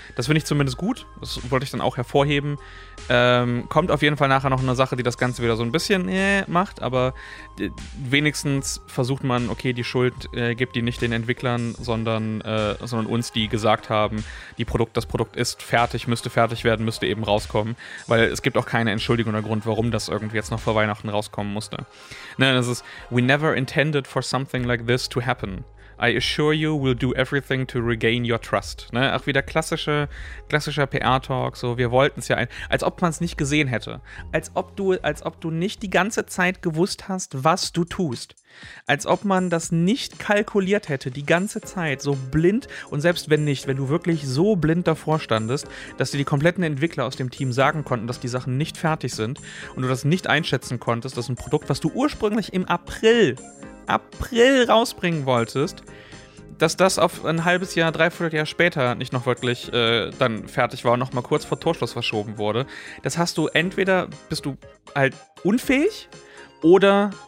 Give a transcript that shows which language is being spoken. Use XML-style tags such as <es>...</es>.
<de>Das finde ich zumindest gut, das wollte ich dann auch hervorheben. Kommt auf jeden Fall nachher noch eine Sache, die das Ganze wieder so ein bisschen macht, aber wenigstens versucht man, okay, die Schuld gibt die nicht den Entwicklern, sondern uns, die gesagt haben, das Produkt ist fertig, müsste fertig werden, müsste eben rauskommen, weil es gibt auch keine Entschuldigung oder Grund, warum das irgendwie jetzt noch vor Weihnachten rauskommen musste. Nein, das ist,</de> <en>we never intended for something like this to happen. I assure you, we'll do everything to regain your trust.</en> <de>Ne? Auch wieder klassischer PR-Talk, so, wir wollten es ja, als ob man es nicht gesehen hätte. Als ob du nicht die ganze Zeit gewusst hast, was du tust. Als ob man das nicht kalkuliert hätte, die ganze Zeit, so blind, und selbst wenn nicht, wenn du wirklich so blind davor standest, dass dir die kompletten Entwickler aus dem Team sagen konnten, dass die Sachen nicht fertig sind und du das nicht einschätzen konntest, dass ein Produkt, was du ursprünglich im April rausbringen wolltest, dass das auf ein halbes Jahr, dreiviertel Jahr später nicht noch wirklich dann fertig war und nochmal kurz vor Torschluss verschoben wurde. Das hast du, entweder bist du halt unfähig oder</de>